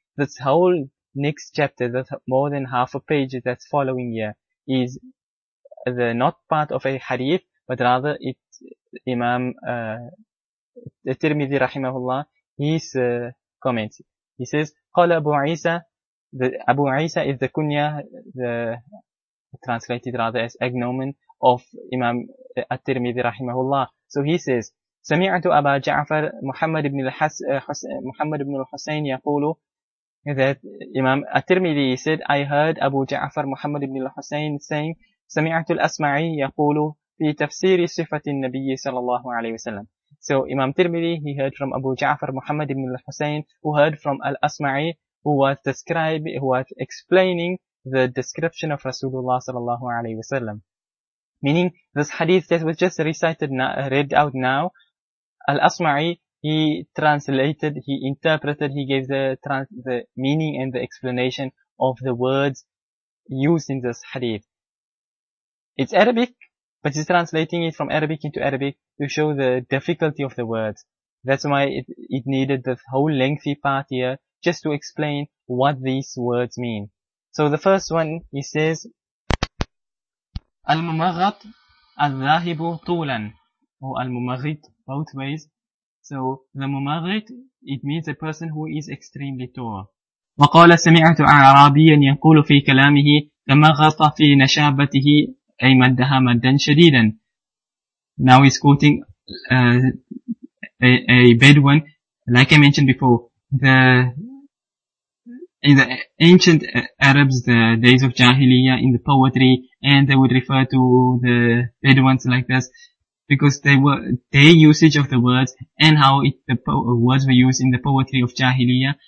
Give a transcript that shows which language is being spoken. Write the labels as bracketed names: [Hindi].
[English] This whole next chapter, that more than half a page that's following here, is the not part of a hadith, but rather it's Imam Tirmidhi rahimahullah, his comments. He says, [Arabic] قَالَ أَبُو عِيسَى, [English] the Abu Isa is the kunya, the translated rather as agnomen of Imam At-Tirmidhi rahimahullah. So he says, [Arabic] سمعت أبا جعفر محمد بن محمد بن الحسين يقول, [English] that Imam At-Tirmidhi said, I heard Abu Ja'far Muhammad ibn al-Husayn saying, [Arabic] سمعت الأسمعي يقول في تفسير صفة النبي صلى الله عليه وسلم. [English] So Imam Tirmidhi, he heard from Abu Ja'far Muhammad ibn al-Husayn, who heard from Al-Asma'i, who was explaining the description of Rasulullah sallallahu alayhi wa sallam. Meaning, this hadith that was just recited, read out now, Al-Asma'i, he translated, he interpreted, he gave the meaning and the explanation of the words used in this hadith. It's Arabic, But he's translating it from Arabic into Arabic to show the difficulty of the words. That's why it needed the whole lengthy part here just to explain what these words mean. So the first one, he says, [Arabic] Al-mumaghat al-dhahibu tulan. [English] Or al-mumaghit, both ways. So the mumaghit, it means a person who is extremely tall. [Arabic] وقال سمعت أعرابيا يقول في كلامه تمغط في نشابته أي مدها مدا شديدا. [English] Now he's quoting a Bedouin. Like I mentioned before, in the ancient Arabs, the days of Jahiliyyah, in the poetry, and they would refer to the Bedouins like this because they were their usage of the words and how the words were used in the poetry of Jahiliyyah.